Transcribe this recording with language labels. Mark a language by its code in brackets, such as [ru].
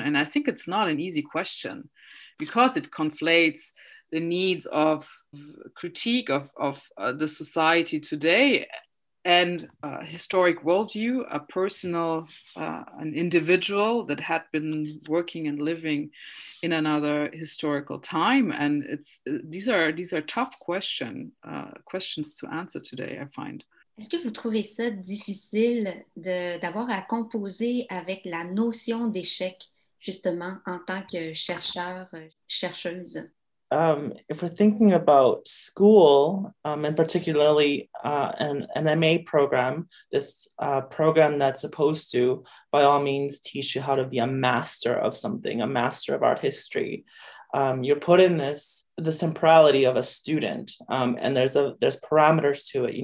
[en] And I think it's not an easy question, because it conflates the needs of critique of the society today and a historic worldview, a personal, an individual that had been working and living in another historical time. And these are tough questions to answer today, I find. [fr] Est-ce que vous trouvez ça difficile d'avoir à composer avec la notion d'échec, justement, en tant que chercheur, chercheuse? [en] If we're thinking about school, and particularly an MA program, this program that's supposed to, by all means, teach you how to be a master of something, a master of art history, you're put in this temporality of a student, and there's parameters to it.